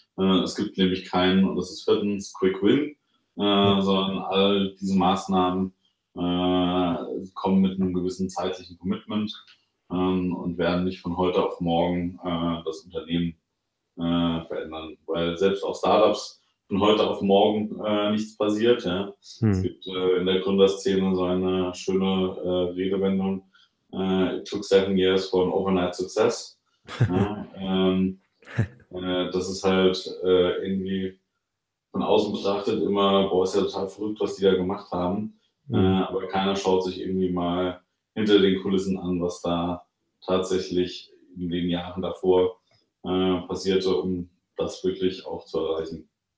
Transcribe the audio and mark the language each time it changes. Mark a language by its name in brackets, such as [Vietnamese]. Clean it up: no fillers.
[German] Es gibt nämlich keinen, und das ist viertens, Quick-Win, sondern all diese Maßnahmen kommen mit einem gewissen zeitlichen Commitment und werden nicht von heute auf morgen das Unternehmen verändern, weil selbst auch Startups von heute auf morgen nichts passiert. Ja. Es gibt in der Gründerszene so eine schöne Redewendung. [English] It took 7 years for an overnight success. [German] das ist halt irgendwie von außen betrachtet immer, boah, ist ja total verrückt, was die da gemacht haben. Aber keiner schaut sich irgendwie mal hinter den Kulissen an, was da tatsächlich in den Jahren davor passierte, um das wirklich auch zu erreichen.